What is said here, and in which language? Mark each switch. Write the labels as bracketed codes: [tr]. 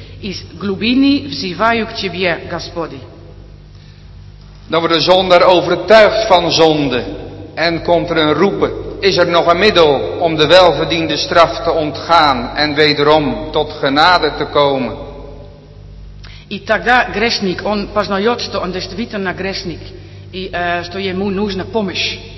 [ru] Из глубини взываю к тебе, Господи. [nl] Dan wordt de zondaar overtuigd van zonde. En komt er een roepen. Is er nog een middel om de welverdiende straf te ontgaan. En wederom tot genade te komen. [ru] И тогда грешник, он познает, что он действительно грешник, и что ему нужна помощь.